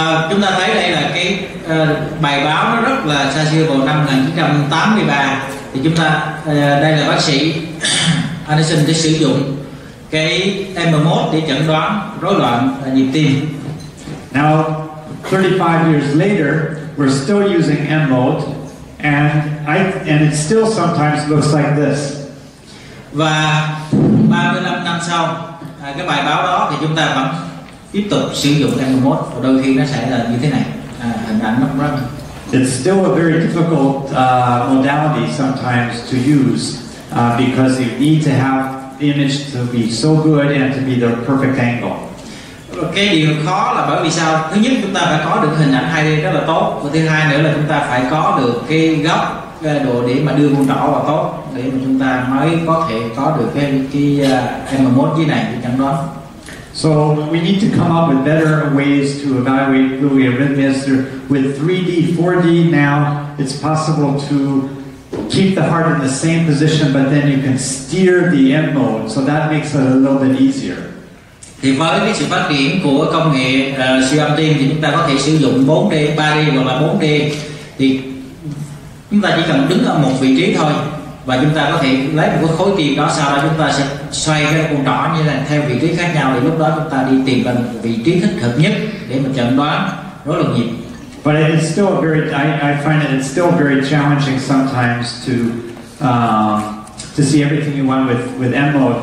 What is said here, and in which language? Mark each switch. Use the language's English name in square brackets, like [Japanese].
[Vietnamese] Chúng ta thấy đây là cái bài báo nó rất là xa xưa, vào năm 1983. Thì chúng ta đây là bác sĩ Anderson đã sử dụng cái EMMODE để chẩn đoán rối loạn nhịp tim. [English] Now, 35 years later, we're still using EMMODE, and it still sometimes looks like this. [Vietnamese] Và 35 năm sau, cái bài báo đó thì chúng ta vẫn tiếp tục sử dụng EMMODE, và đôi khi nó sẽ là như thế này, hình ảnh nó rất. [English] It's still a very difficult modality sometimes to use because you need to have the image to be so good and to be the perfect angle. [Vietnamese] Cái điều khó là bởi vì sao? Thứ nhất, chúng ta phải có được hình ảnh 2D rất là tốt. Và thứ hai nữa là chúng ta phải có được cái góc độ để mà đưa mô nhỏ vào tốt, để mà chúng ta mới có thể có được cái EMMODE dưới này để chẩn đoán. [English] So we need to come up with better ways to evaluate Lewy arrhythmias with 3D, 4D. Now it's possible to keep the heart in the same position, but then you can steer the EMMODE. So that makes it a little bit easier. [Vietnamese] Thì với cái sự phát triển của công nghệ siêu âm tim thì chúng ta có thể sử dụng 4D, 3D hoặc là 4D. Thì chúng ta chỉ cần đứng ở một vị trí thôi, và chúng ta có thể lấy một cái khối tim đó, sau đó chúng ta sẽ xoay cái cuộn đỏ như là theo vị trí khác nhau, thì lúc đó chúng ta đi tìm ra một vị trí thích hợp nhất để mình chẩn đoán rối loạn nhịp. [English] But it's still very, I find it still very challenging sometimes to see everything you want with EMMODE.